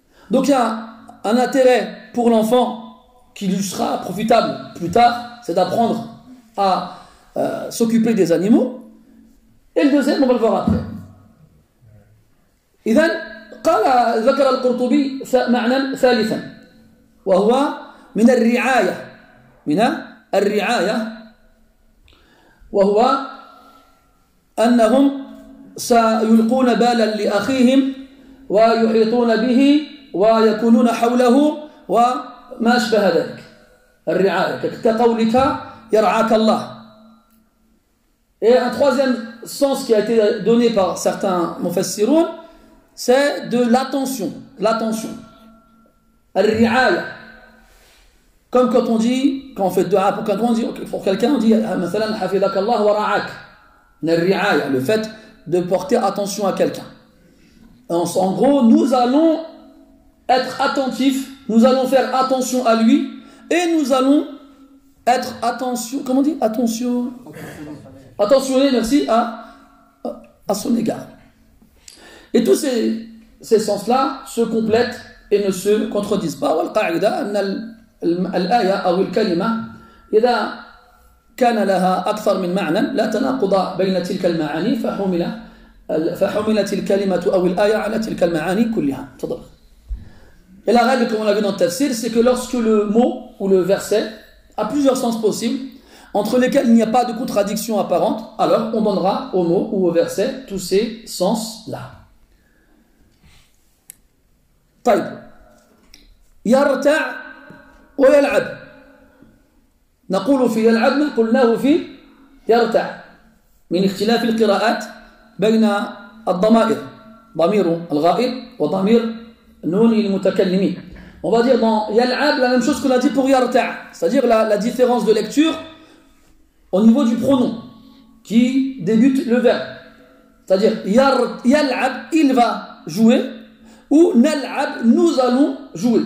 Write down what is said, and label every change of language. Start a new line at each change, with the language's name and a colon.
French: Donc, il y a un intérêt pour l'enfant qui lui sera profitable plus tard, c'est d'apprendre à s'occuper des animaux. Et le deuxième, on va le voir après.
Arabic: إذن قال ذكر القرطبي معنى ثالثا وهو من الرعاية من الرعاية وهو أنهم سيلقون بالا لأخيهم ويحيطون به ويكونون حوله وما أشبه ذلك الرعاية كقولك يرعاك الله.
French: Et un troisième sens qui a été donné par certains mufassirun, c'est de l'attention. L'attention. Al-ri'aya. Comme quand on dit, quand on fait dua pour quelqu'un, on dit, مثلا, حفظك الله ورعاك. Al-ri'aya, le fait de porter attention à quelqu'un. En gros, nous allons être attentifs, nous allons faire attention à lui, et nous allons être attention. Comment on dit attention? Attentionné, merci, à son égard. Et tous ces sens-là se complètent et ne se contredisent pas. Wal qa'ida anna
Arabic: الآية أو الكلمة إذا كان لها أكثر من معنى لا تناقض بين تلك المعاني فحملت الكلمة أو الآية على تلك المعاني كلها. تفضل.
French: Et la règle, comme on l'a vu dans le tafsir, c'est que lorsque le mot ou le verset a plusieurs sens possibles, entre lesquels il n'y a pas de contradiction apparente, alors on donnera au mot ou au verset tous ces sens-là.
Arabic: طيب. يرتع ويلعب. نقول في يلعب قلناه في يرتع. من اختلاف القراءات بين الضمائر. ضمير الغائب وضمير نون المتكلمين.
French: On va dire dans يلعب la même chose qu'on a dit pour يرتع. C'est-à-dire la différence de lecture au niveau du pronom qui débute le verbe. C'est-à-dire يلعب, il va jouer. Ou nal'ab, nous allons jouer.